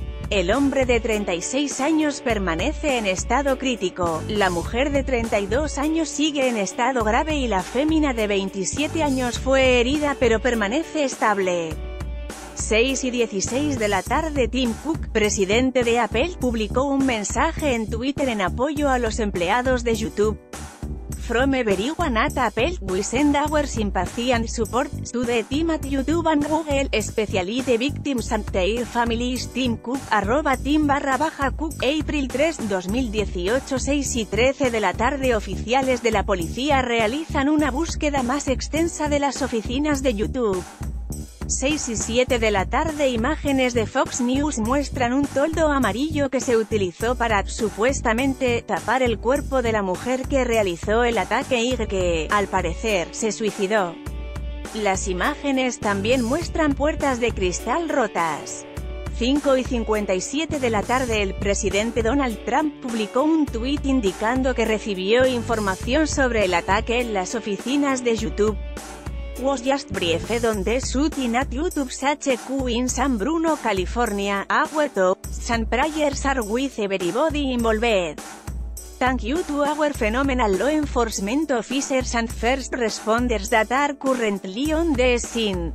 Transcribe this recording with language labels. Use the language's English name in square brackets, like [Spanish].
[Spanish] El hombre de 36 años permanece en estado crítico, la mujer de 32 años sigue en estado grave y la fémina de 27 años fue herida pero permanece estable. 6 y 16 de la tarde. Tim Cook, presidente de Apple, publicó un mensaje en Twitter en apoyo a los empleados de YouTube. [English] From everyone at Apple, we send our sympathy and support to the team at YouTube and Google, especially the victims and their families. Tim Cook, @team_cook, April 3, 2018. [Spanish] 6 y 13 de la tarde. Oficiales de la policía realizan una búsqueda más extensa de las oficinas de YouTube. 6 y 7 de la tarde. Imágenes de Fox News muestran un toldo amarillo que se utilizó para, supuestamente, tapar el cuerpo de la mujer que realizó el ataque y que, al parecer, se suicidó. Las imágenes también muestran puertas de cristal rotas. 5 y 57 de la tarde. El presidente Donald Trump publicó un tuit indicando que recibió información sobre el ataque en las oficinas de YouTube. [English] Was just briefed on the shooting at YouTube's HQ in San Bruno, California, our thoughts and prayers are with everybody involved. Thank you to our phenomenal law enforcement officers and first responders that are currently on the scene.